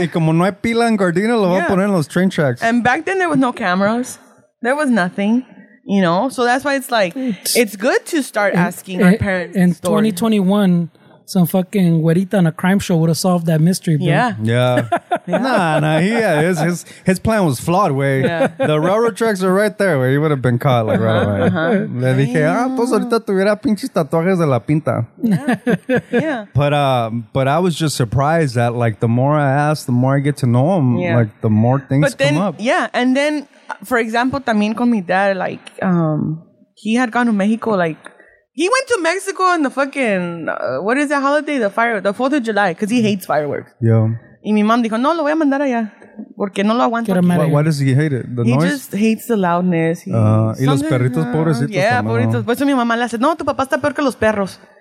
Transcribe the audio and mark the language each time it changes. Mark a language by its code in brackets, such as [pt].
[es] Y como no hay pila en Gardena, lo va a poner en los train tracks. [en] And back then, there was no cameras. There was nothing. You know? So that's why it's like, it's good to start asking our parents. In 2021, some fucking güerita on a crime show would have solved that mystery, bro. Yeah. Yeah. Nah, he had his plan was flawed, way. Yeah. The railroad tracks are right there, where he would have been caught, like, right away. [es] Le dije, pues ahorita tuviera pinches tatuajes de la pinta. [en] Yeah. Yeah. But I was just surprised that, like, the more I ask, the more I get to know him, like, the more things but then, come up. Yeah, and then, for example, también con mi dad, like, he had gone to Mexico, like, he went to Mexico on the fucking, what is that holiday? The 4th of July, because he hates fireworks. Yeah. [es] Y mi mom dijo, no, lo voy a mandar allá, porque no lo aguanto. [en] Why does he hate it? The he noise? He just hates the loudness. [es] Y los perritos pobrecitos. Yeah, pobrecitos. Por eso mi mamá le hace, no, tu papá está peor que los perros.